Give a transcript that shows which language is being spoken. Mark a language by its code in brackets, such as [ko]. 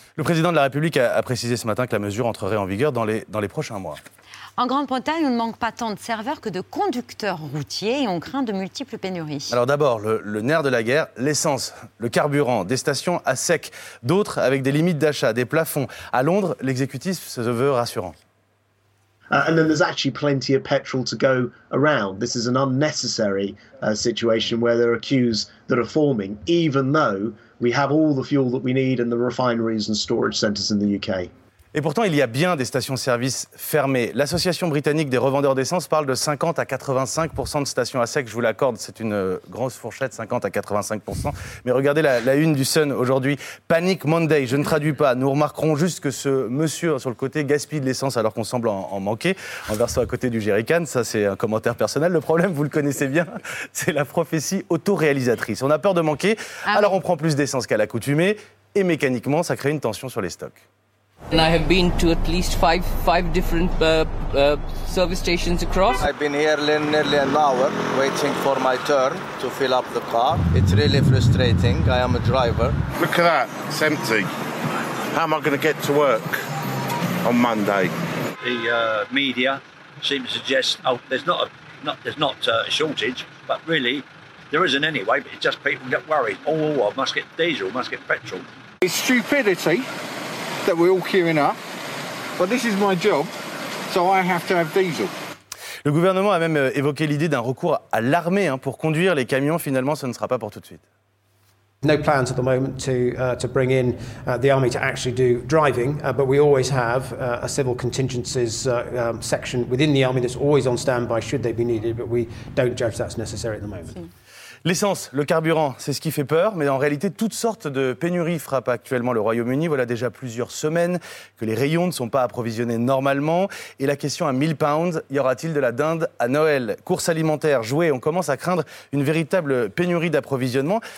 [fr] Le président de la République a précisé ce matin que la mesure entrerait en vigueur dans les prochains mois. En Grande-Bretagne, on ne manque pas tant de serveurs que de conducteurs routiers et on craint de multiples pénuries. Alors d'abord, le nerf de la guerre, l'essence, le carburant, des stations à sec, d'autres avec des limites d'achat, des plafonds. À Londres, l'exécutif se veut rassurant. [en] And then there's actually plenty of petrol to go around. This is an unnecessary situation where there are queues that are forming, even though we have all the fuel that we need in the refineries and storage centres in the UK. [fr] Et pourtant, il y a bien des stations-service fermées. L'Association britannique des revendeurs d'essence parle de 50 à 85% de stations à sec. Je vous l'accorde, c'est une grosse fourchette, 50 à 85%. Mais regardez la une du Sun aujourd'hui. Panic Monday, je ne traduis pas. Nous remarquerons juste que ce monsieur sur le côté gaspille de l'essence alors qu'on semble en manquer, en versant à côté du jerrycan. Ça, c'est un commentaire personnel. Le problème, vous le connaissez bien, c'est la prophétie autoréalisatrice. On a peur de manquer, alors on prend plus d'essence qu'à l'accoutumée. Et mécaniquement, ça crée une tension sur les stocks. [en] And I have been to at least five different service stations across. I've been here nearly an hour waiting for my turn to fill up the car. It's really frustrating. I am a driver. Look at that. It's empty. How am I going to get to work on Monday? The media seem to suggest there's not a shortage, but really there isn't anyway. But it's just people get worried. Oh, I must get diesel, must get petrol. It's stupidity that we're all queuing up, but this is my job, so I have to have diesel. [fr] Le gouvernement a même évoqué l'idée d'un recours à l'armée pour conduire les camions. Finalement, ce ne sera pas pour tout de suite. [en] No plans at the moment to bring in the army to actually do driving, but we always have a civil contingencies section within the army that's always on standby should they be needed, but we don't judge that's necessary at the moment. [fr] L'essence, le carburant, c'est ce qui fait peur, mais en réalité, toutes sortes de pénuries frappent actuellement le Royaume-Uni. Voilà déjà plusieurs semaines que les rayons ne sont pas approvisionnés normalement. Et la question à 1000 pounds, y aura-t-il de la dinde à Noël ? Course alimentaire, jouets, on commence à craindre une véritable pénurie d'approvisionnement.